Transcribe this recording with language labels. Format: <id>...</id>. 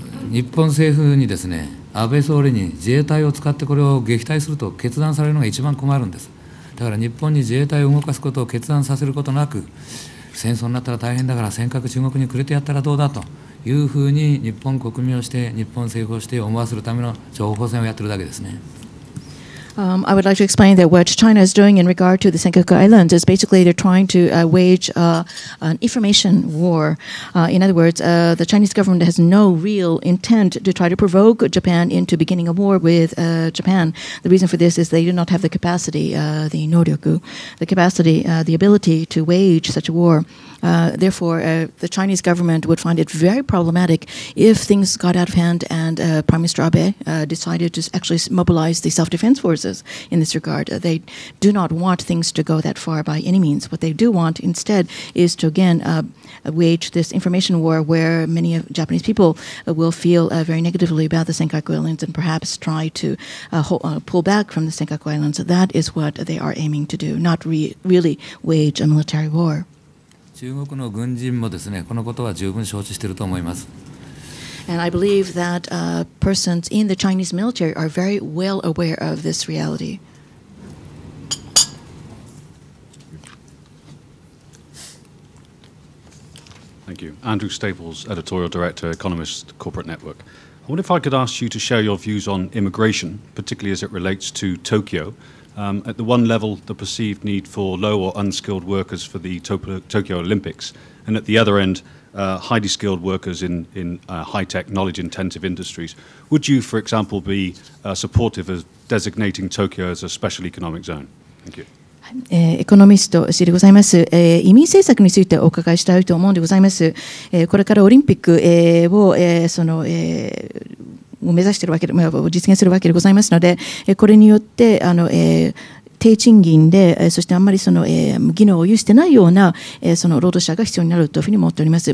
<ja>日本政府にですね、安倍総理に自衛隊を使ってこれを撃退すると決断されるのが一番困るんです。だから日本に自衛隊を動かすことを決断させることなく、戦争になったら大変だから尖閣中国にくれてやったらどうだというふうに日本国民をして、日本政府をして思わせるための情報戦をやってるだけですね。</ja> <en>I would like to explain that what China is doing in regard to the Senkaku Islands is basically they're trying to wage an information war. In other words, the Chinese government has no real intent to try to provoke Japan into beginning a war with Japan. The reason for this is they do not have the capacity, the noryoku, the capacity, the ability to wage such a war. Therefore, the Chinese government would find it very problematic if things got out of hand and Prime Minister Abe decided to actually mobilize the self-defense forces in this regard. They do not want things to go that far by any means. What they do want instead is to again wage this information war where many of Japanese people will feel very negatively about the Senkaku Islands and perhaps try to pull back from the Senkaku Islands. That is what they are aiming to do, not really wage a military war.</en> <ja>中国の軍人もですね、このことは十分承知していると思います。</ja> <en>And I believe that persons in the Chinese military are very well aware of this reality. Thank you. Andrew Staples, Editorial Director, Economist, Corporate Network. I wonder if I could ask you to share your views on immigration, particularly as it relates to Tokyo. At the one level, the perceived need for low or unskilled workers for the Tokyo Olympics, and at the other end, highly skilled workers in high-tech, knowledge-intensive industries. Would you, for example, be supportive of designating Tokyo as a special economic zone? Thank you.</en> <ja>エコノミスト氏でございます。移民政策についてお伺いしたいと思うんでございます。これからオリンピックを、その、目指しているわけで、実現するわけでございますので、これによって、低賃金で、そしてあんまりその技能を有していないようなその労働者が必要になるというふうに思っております。</ja>